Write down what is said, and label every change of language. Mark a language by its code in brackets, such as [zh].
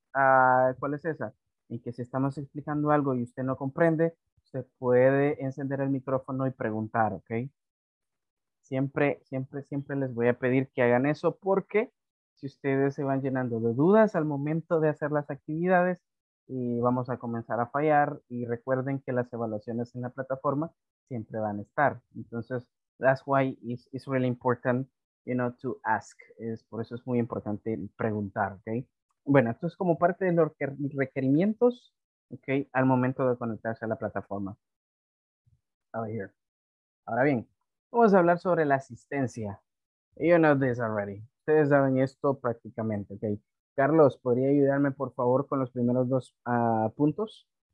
[es] ¿Cuál es esa? En que si estamos explicando algo y usted no comprende, usted puede encender el micrófono y preguntar, ¿ok? Siempre, siempre, siempre les voy a pedir que hagan eso porque si ustedes se van llenando de dudas al momento de hacer las actividades y vamos a comenzar a fallar, y recuerden que las evaluaciones en la plataforma siempre van a estar. Entonces, [en] that's why it's really important, you know, to ask. [es] Por eso es muy importante preguntar, ¿ok? Bueno, esto es como parte de los requerimientos, ¿ok? Al momento de conectarse a la plataforma. [en] Over here. [es] Ahora bien, vamos a hablar sobre la asistencia. [en] You know this already. [es] Ustedes saben esto prácticamente, ¿ok? Carlos, ¿podría ayudarme, por favor, con los primeros dos puntos?